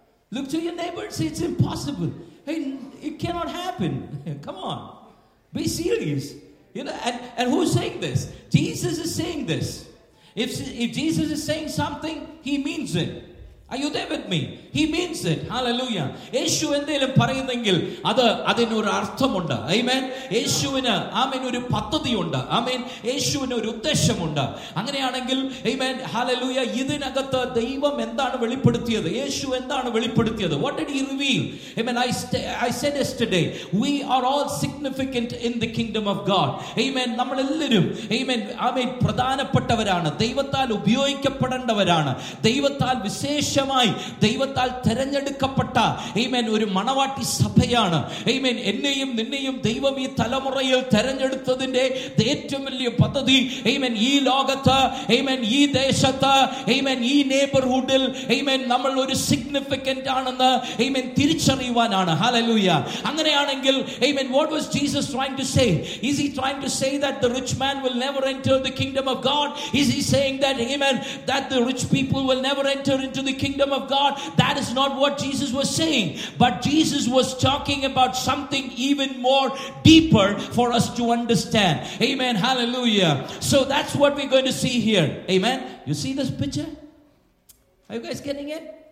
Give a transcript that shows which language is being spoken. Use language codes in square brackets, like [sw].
[en] Look to your neighbor and say, it's impossible. Hey, it cannot happen. Come on. Be serious. You know, and who's saying this? Jesus is saying this. If Jesus is saying something, he means it. Are you there with me? He means it. Hallelujah. [ml] യേശു എന്തെങ്കിലും പറയുന്നെങ്കിൽ അത് അതിനൊരു അർത്ഥമുണ്ട്. ആമേൻ. യേശുവിന് ആമേൻ ഒരു പദ്ധതിയുണ്ട്. ആമേൻ. യേശുവിന് ഒരു ഉദ്ദേശമുണ്ട്. അങ്ങനെയാണെങ്കിൽ ആമേൻ. ഹല്ലേലൂയ. ഇതിനകത്ത് ദൈവം എന്താണ് വെളിപ്പെടുത്തിയത്? യേശു എന്താണ് വെളിപ്പെടുത്തിയത്? [en] What did he reveal? Amen. I said yesterday, we are all significant in the kingdom of God. Amen. [ml] നമ്മളെല്ലാവരും ആമേൻ ആമേൻ പ്രധാനപ്പെട്ടവരാണ്. ദൈവത്താൽ ഉപയോഗിക്കപ്പെടേണ്ടവരാണ്. ദൈവത്താൽ വിശേഷ ശമായി ദൈവത്താൽ തിരഞ്ഞെടുക്കപ്പെട്ട ആമേൻ ഒരു മണവാട്ടി സഭയാണ്. ആമേൻ. എന്നെയും നിന്നെയും ദൈവം ഈ തലമുറയിൽ തിരഞ്ഞെടുത്തതിന്റെ ഏറ്റവും വലിയ പദ്ധതി ആമേൻ ഈ ലോകത്ത്, ആമേൻ ഈ ദേശത്ത്, ആമേൻ ഈ നെയ്ബർഹുഡിൽ, ആമേൻ നമ്മൾ ഒരു സിഗ്നിഫിക്കന്റ് ആണെന്ന് ആമേൻ തിരിച്ചറിയുവാനാണ്. ഹല്ലേലൂയ. അങ്ങനെയാണെങ്കിൽ ആമേൻ, [en] What was Jesus trying to say? Is he trying to say that the rich man will never enter the kingdom of God? Is he saying that amen that the rich people will never enter in the kingdom of God? That is not what Jesus was saying. But Jesus was talking about something even more deeper for us to understand. Amen. Hallelujah. So that's what we're going to see here. Amen. You see this picture? Are you guys getting it?